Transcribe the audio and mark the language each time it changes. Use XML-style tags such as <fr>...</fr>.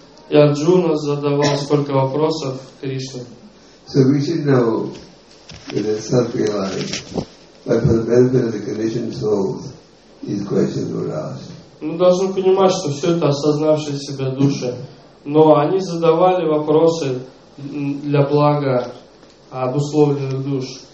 <ru>И Арджуна задавал столько вопросов Кришне.</ru> <en>So we should know that it's something like, but for the benefit of the conditioned souls, these questions were asked.</en> <ru>Мы должны понимать, что все это осознавшие себя души. Но они задавали вопросы для блага обусловленных душ.</ru>